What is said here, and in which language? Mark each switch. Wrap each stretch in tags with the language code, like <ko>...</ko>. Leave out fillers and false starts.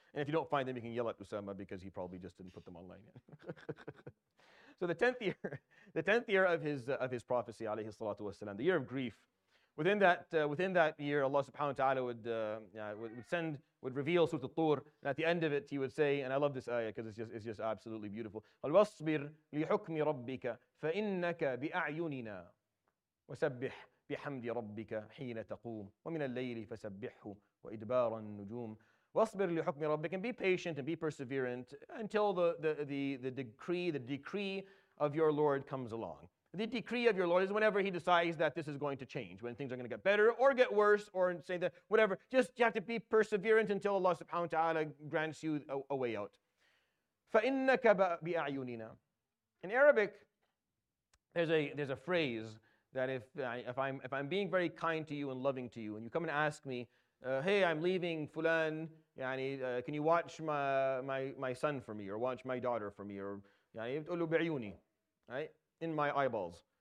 <en>And if you don't find them, you can yell at Usama because he probably just didn't put them online yet. So the 10th year of his prophecy, alayhi salatu wasalam, the year of grief. Within that year, Allah subhanahu wa ta'ala would reveal Surah Al-Tur, and at the end of it, he would say, and I love this ayah because it's just absolutely beautiful.</en> <ar>وَاصْبِرْ لِحُكْمِ رَبِّكَ فَإِنَّكَ بِأَعْيُنِنَا وَسَبِّحْ بِحَمْدِ رَبِّكَ حِينَ تَقُومُ وَمِنَ اللَّيْلِ فَسَبِّحْهُ وَإِدْبَارَ النُّجُومِ وَاصْبِرْ لِحُكْمِ رَبِّكَ</ar> <en>and be patient and be perseverant until the decree of your Lord comes along. The decree of your Lord is whenever he decides that this is going to change, when things are going to get better or get worse, or say that whatever. Just you have to be perseverant until Allah subhanahu wa ta'ala grants you a way out.</en> <ar>فَإِنَّكَ بِأَعْيُنِنَا.</ar> <en>In Arabic, there's a phrase that if I'm being very kind to you and loving to you, and you come and ask me, hey, I'm leaving fulan, can you watch my son for me, or watch my daughter for me, or</en> <ar>تقولوا بعيوني,</ar> <en>right? In my eyeballs.</en>